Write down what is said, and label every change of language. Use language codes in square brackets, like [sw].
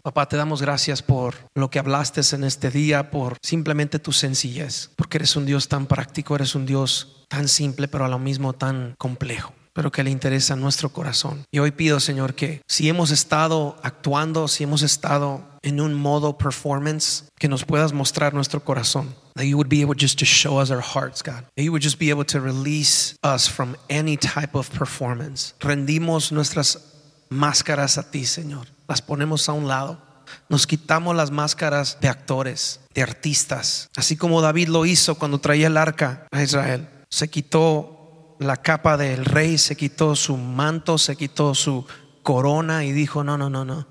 [es] Papá, te damos gracias por lo que hablaste en este día, por simplemente tu sencillez, porque eres un Dios tan práctico, eres un Dios tan simple, pero a lo mismo tan complejo, pero que le interesa nuestro corazón. Y hoy pido, Señor, que si hemos estado actuando, si hemos estado en un modo performance, que nos puedas mostrar nuestro corazón. [en] That you would be able just to show us our hearts, God. That you would just be able to release us from any type of performance. [es] Rendimos nuestras máscaras a ti, Señor. Las ponemos a un lado. Nos quitamos las máscaras de actores, de artistas. Así como David lo hizo cuando traía el arca a Israel. Se quitó la capa del rey, se quitó su manto, se quitó su corona y dijo, no.